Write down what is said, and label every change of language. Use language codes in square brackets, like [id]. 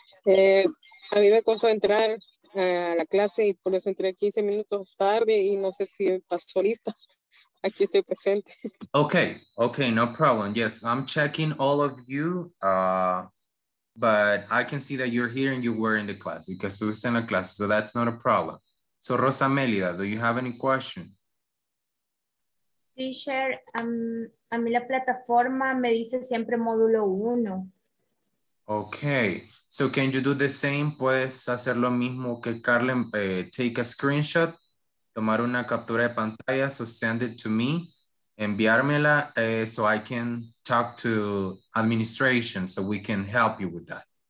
[es] A mí me costó entrar a la clase y por eso entré 15 minutos tarde y no sé si pasó lista. Aquí estoy presente. [en] Okay, okay, no problem. Yes, I'm checking all of you, but I can see that you're here and you were in the class, because you were in the class, so that's not a problem. So Rosa Melida, do you have any question? [es] Teacher, a mí la plataforma me dice siempre módulo 1. [en] Okay, so can you do the same? Puedes hacer lo mismo que Carlen, take a screenshot, tomar una captura de pantalla, so send it to me, enviármela, so I can talk to administration, so we can help you with that.